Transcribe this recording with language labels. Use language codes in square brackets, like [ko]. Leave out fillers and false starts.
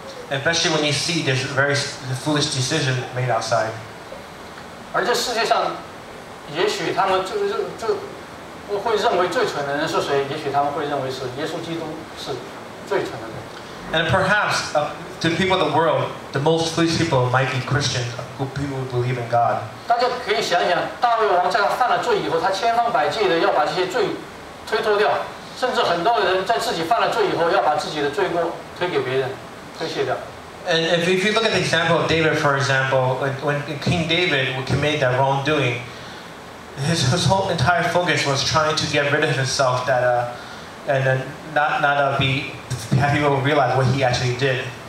[en] Especially when you see this very foolish decision made outside. [zh] 而这世界上，也许他们就会认为最蠢的人是谁？也许他们会认为是耶稣基督是最蠢的人。 [en] And perhaps to people of the world, the most foolish people might be Christians who people believe in God. [zh] 大家可以想想，大卫王在他犯了罪以后，他千方百计的要把这些罪推脱掉，甚至很多人在自己犯了罪以后，要把自己的罪过推给别人。 [en] And if you look at the example of David, for example, when King David committed that wrongdoing, his whole entire focus was trying to get rid of himself and not be happy to realize what he actually did.